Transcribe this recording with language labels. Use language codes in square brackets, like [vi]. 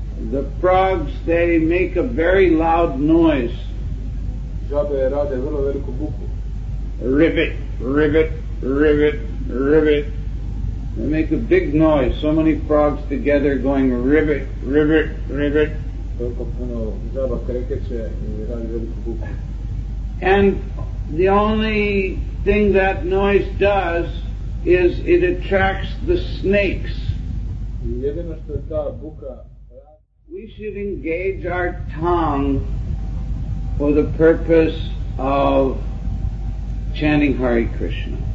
[en] The frogs, they make a very loud noise. [hr] Žabe rade vrlo veliku buku. [en] Ribbit, ribbit, ribbit, ribbit. They make a big noise. So many frogs together going ribbit, ribbit, ribbit. [hr] Toliko puno žaba krekeće i rade veliku buku. [en] And the only thing that noise does is it attracts the snakes. [hr] Jedino što je ta buka. [en] We should engage our tongue for the purpose of chanting Hare Krishna.